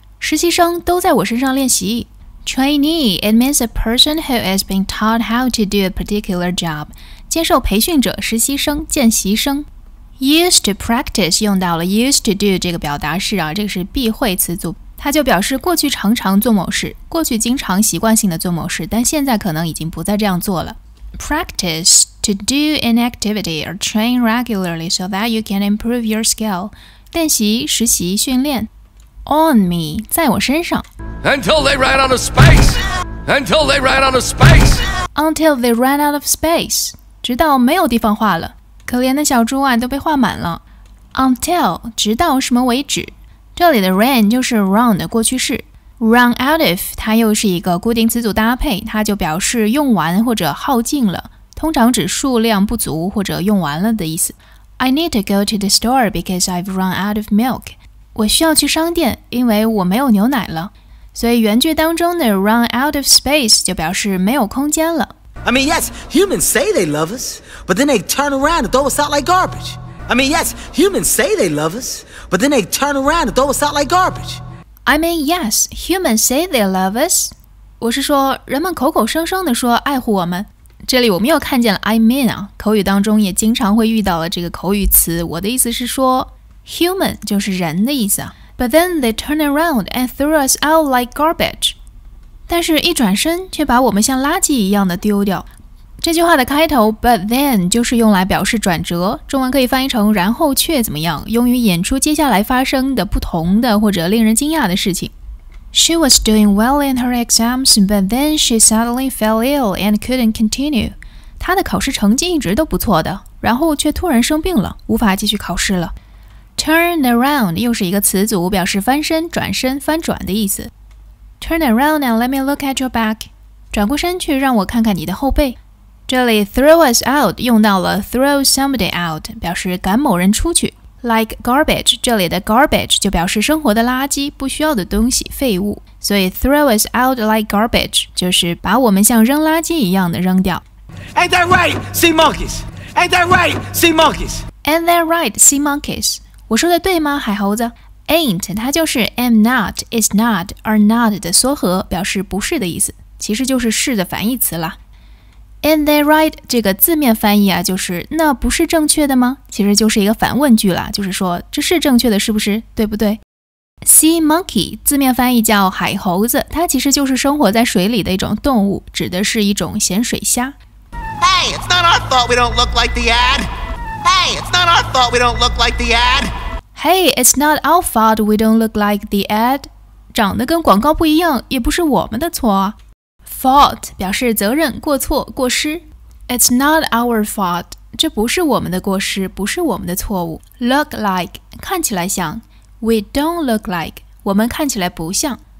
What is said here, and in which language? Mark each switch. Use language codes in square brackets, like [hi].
[zh] 实习生都在我身上练习。 [en] Trainee it means a person who has been taught how to do a particular job. [zh] 接受培训者、实习生、见习生。 [en] Used to practice [zh] 用到了 [en] used to do [zh] 这个表达式啊，这个是避讳词组。它就表示过去常常做某事，过去经常习惯性的做某事，但现在可能已经不再这样做了。 [en] Practice to do an activity or train regularly so that you can improve your skill. [zh] 练习、实习、训练。 [en] On me， [zh] 在我身上。 [en] Until they ran out of space. Until they ran out of space. Until they ran out of space. [zh] 直到没有地方画了。可怜的小猪啊，都被画满了。 Until 直到什么为止？这里的 ran 就是 run 的过去式， run out of 它又是一个固定词组搭配，它就表示用完或者耗尽了，通常指数量不足或者用完了的意思。 [en] I need to go to the store because I've run out of milk. [zh] 我需要去商店，因为我没有牛奶了。所以原句当中的 run out of space 就表示没有空间了。 [en] I mean yes, humans say they love us, but then they turn around and throw us out like garbage. I mean, yes, humans say they love us, but then they turn around and throw us out like garbage. I mean, yes, humans say they love us. [zh] 我是说，人们口口声声地说爱护我们。这里我们又看见了 I mean 啊，口语当中也经常会遇到了这个口语词。我的意思是说 ，human 就是人的意思啊。 [en] But then they turn around and throw us out like garbage. [zh] 但是一转身却把我们像垃圾一样的丢掉。这句话的开头 but then 就是用来表示转折，中文可以翻译成然后却怎么样，用于演出接下来发生的不同的或者令人惊讶的事情。 [en] She was doing well in her exams, but then she suddenly fell ill and couldn't continue. [zh] 她的考试成绩一直都不错的，然后却突然生病了，无法继续考试了。 Turn around 又是一个词组，表示翻身、转身、翻转的意思。 [en] Turn around and let me look at your back. [zh] 转过身去让我看看你的后背。这里 throw us out 用到了 throw somebody out， 表示赶某人出去。 Like garbage， 这里的 garbage 就表示生活的垃圾，不需要的东西，废物。所以 [en] throw us out like garbage [zh] 就是把我们像扔垃圾一样的扔掉。 [en] Ain't that right, sea monkeys? Ain't that right, sea monkeys? Ain't that right, sea monkeys? [zh] 我说的对吗，海猴子？ Ain't 它就是 am not, is not, are not 的缩合，表示不是的意思，其实就是是的反义词了。 [en] Ain't that right? [zh] 这个字面翻译啊，就是那不是正确的吗？其实就是一个反问句了，就是说这是正确的，是不是？对不对 ？Sea monkey 字面翻译叫海猴子，它其实就是生活在水里的一种动物，指的是一种咸水虾。 [en] Hey, it's not our fault we don't look like the ad. Hey, it's not our fault we don't look like the ad. Hey, it's not our fault we don't look like the ad. [zh] 长得跟广告不一样，也不是我们的错啊。 Fault 表示责任、过错、过失。 [en] It's not our fault. [zh] 这不是我们的过失，不是我们的错误。 Look like 看起来像。 [en] We don't look like [zh] 我们看起来不像。